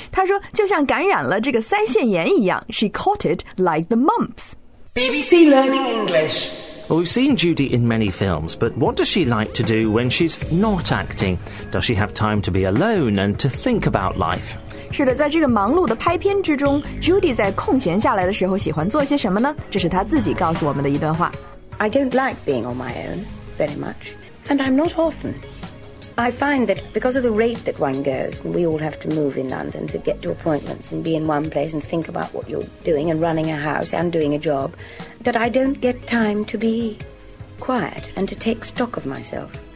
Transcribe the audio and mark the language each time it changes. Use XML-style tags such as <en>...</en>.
<zh>他说就像感染了这个腮腺炎一样。</zh> <en>She caught it like the mumps. BBC Learning English. Well, we've seen Judy in many films, but what does she like to do when she's not acting? Does she have time to be alone and to think about life?</en> <zh>是的，在这个忙碌的拍片之中 ，Judy 在空闲下来的时候喜欢做些什么呢？这是她自己告诉我们的一段话。</zh> <en>I don't like being on my own very much, and I'm not often. I find that because of the rate that one goes, and we all have to move in London to get to appointments and be in one place and think about what you're doing and running a house and doing a job. That I don't get time to be quiet and to take stock of myself.</en>